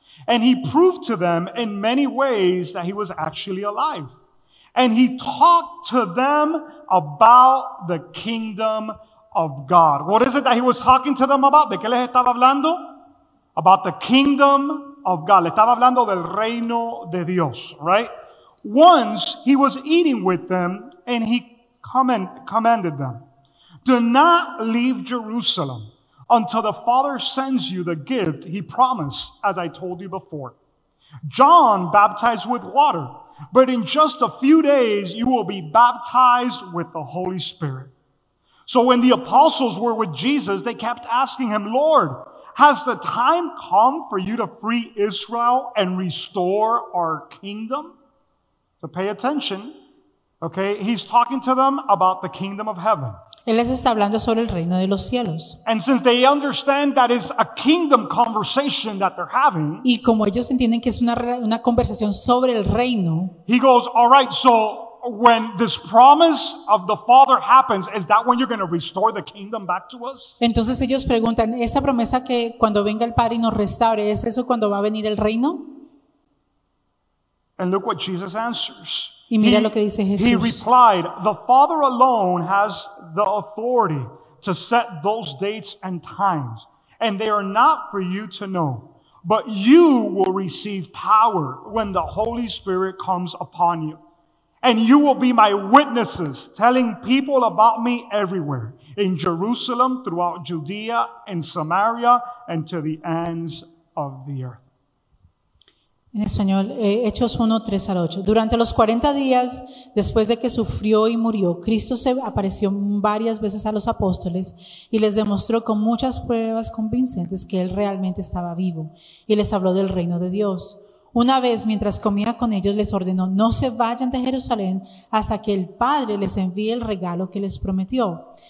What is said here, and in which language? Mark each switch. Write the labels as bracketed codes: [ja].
[en] And he proved to them in many ways that he was actually alive. And he talked to them about the kingdom of God. What is it that he was talking to them about? [es] ¿De qué les estaba hablando? [en] About the kingdom of God. Of God. [es] Le estaba hablando del reino de Dios, right? [en] Once he was eating with them and he commanded them, do not leave Jerusalem until the Father sends you the gift he promised, as I told you before. John baptized with water, but in just a few days you will be baptized with the Holy Spirit. So when the apostles were with Jesus, they kept asking him, Lord, has the time come for you to free Israel and restore our kingdom? So pay attention. Okay, he's talking to them about the kingdom of heaven. [es] Él les está hablando sobre el reino de los cielos. [en] And since they understand that it's a kingdom conversation that they're having, [es] y como ellos entienden que es una conversación sobre el reino, [en] he goes, all right, so when this promise of the Father happens, is that when you're going to restore the kingdom back to us? [es] Entonces ellos preguntan, esa promesa que cuando venga el Padre y nos restaure, ¿es eso cuando va a venir el reino? [en] And look what Jesus answers. [es] Y mira lo que dice Jesús. [en] He replied, the Father alone has the authority to set those dates and times. and they are not for you to know. But you will receive power when the Holy Spirit comes upon you. And you will be my witnesses, telling people about me everywhere, in Jerusalem, throughout Judea, in Samaria, and to the ends of the earth. [es] En español, Hechos 1, 3 al 8. Durante los 40 días después de que sufrió y murió, Cristo se apareció varias veces a los apóstoles y les demostró con muchas pruebas convincentes que Él realmente estaba vivo y les habló del reino de Dios. Una vez, mientras comía con ellos, les ordenó: no se vayan de Jerusalén hasta que el Padre les envíe el regalo que les prometió.